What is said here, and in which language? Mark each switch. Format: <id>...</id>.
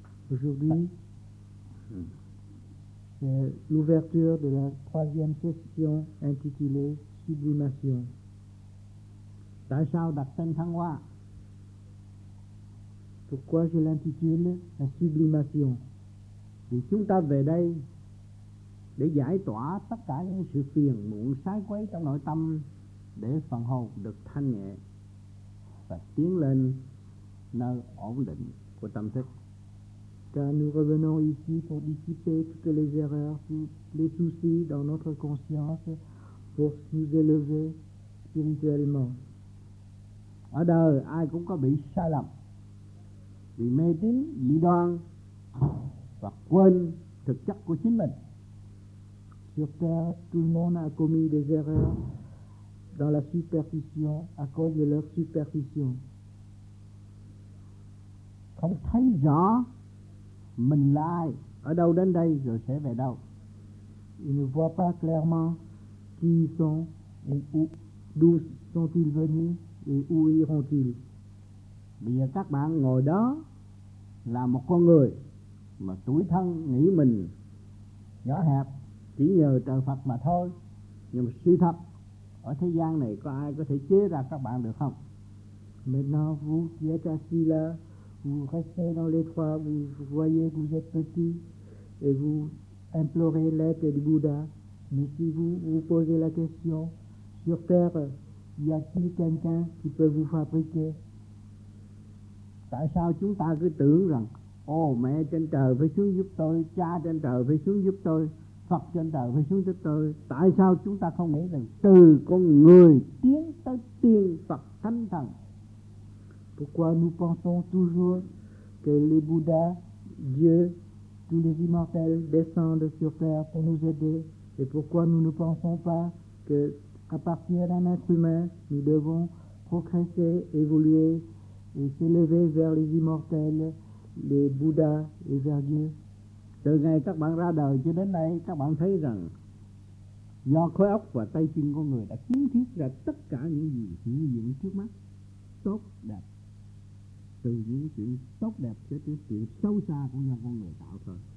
<fr>Aujourd'hui, c'est l'ouverture de la troisième session intitulée Sublimation.</fr> <vi>Tại sao đặt tên Thăng Hoa?</vi> <fr>Pourquoi je l'intitule la Sublimation?</fr> <vi>Vì chúng ta về đây để giải tỏa tất cả những sự phiền muộn sái quấy trong nội tâm để phần hồn được thanh nhẹ và tiến lên nơi ổn định của tâm thức.</vi> <fr>Car nous revenons ici pour dissiper toutes les erreurs, les soucis dans notre conscience, pour nous élever spirituellement.</fr> <vi>Ở đời ai cũng có bị sai lầm, bị mê tín dị đoan và quên thực chất của chính mình.</vi> <fr>Sur terre, tout le monde a commis des erreurs dans la superstition, à cause de leur superstition.</fr> <vi>Không thấy rõ mình là ai, ở đâu đến đây rồi sẽ về đâu.</vi> <fr>Ils ne voient pas clairement qui ils sont, d'où sont-ils venus et où iront-ils.</fr> <vi>Bây giờ các bạn ngồi đó là một con người mà tuổi thân nghĩ mình nhỏ hẹp, chỉ nhờ trời Phật mà thôi. Nhưng mà suy thật, ở thế gian này có ai có thể chế ra các bạn được không?</vi> <fr>Maintenant vous qui êtes assis là, vous restez dans l'étroit, vous voyez que vous êtes petit et vous implorez l'aide du Bouddha. Mais si vous vous posez la question, sur terre, y a-t-il quelqu'un qui peut vous fabriquer?</fr> <vi>Tại sao chúng ta cứ tưởng rằng, ô mẹ trên trời phải xuống giúp tôi, cha trên trời phải xuống giúp tôi? Phật trên đời phải xuống tới tôi. Tại sao chúng ta không nghĩ rằng từ con người tiến tới tiên Phật thánh thần?</vi> <fr>Pourquoi nous pensons toujours que les Bouddhas, Dieu, tous les immortels descendent sur terre pour nous aider? Et pourquoi nous ne pensons pas que à partir d'un être humain, nous devons progresser, évoluer et s'élever vers les immortels, les Bouddhas et vers Dieu?</fr> <vi>Từ ngày các bạn ra đời cho đến nay, các bạn thấy rằng do khối óc và tay chân con người đã kiến thiết ra tất cả những gì hiện diện trước mắt, tốt đẹp. Từ những chuyện tốt đẹp cho tới chuyện sâu xa của do con người tạo ra.</vi>